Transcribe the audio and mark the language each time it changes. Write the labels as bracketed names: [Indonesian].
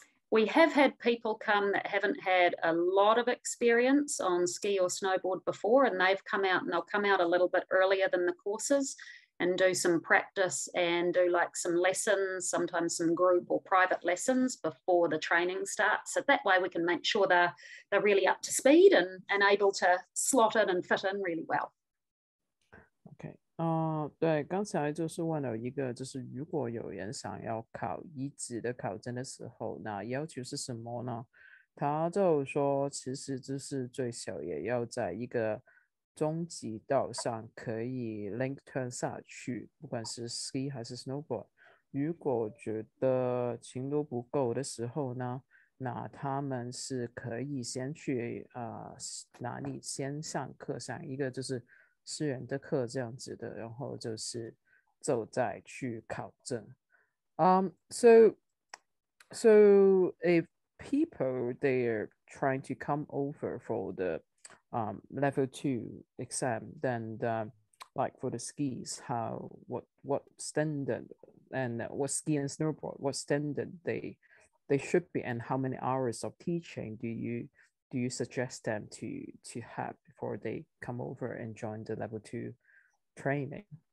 [English] We have had people come that haven't had a lot of experience on ski or snowboard before, and they've come out and they'll come out a little bit earlier than the courses and do some practice and do like some lessons, sometimes some group or private lessons before the training starts. So that way we can make sure they're really up to speed and able to slot in and fit in really well. Okay. [Chinese] 对，刚才就是问了一个，就是如果有人想要考一级的考证的时候，那要求是什么呢？他就说，其实就是最小也要在一个中级道上可以 link turn 下去，不管是 ski 还是 snowboard。如果觉得程度不够的时候呢，那他们是可以先去哪里先上课，上一个就是。私人的课这样子的，然后就是走在去考证。 [English] So if people they are trying to come over for the level two exam, then like for the skis, what standard and what ski and snowboard, what standard they should be, and how many hours of teaching do you suggest them to have before they come over and join the level two training?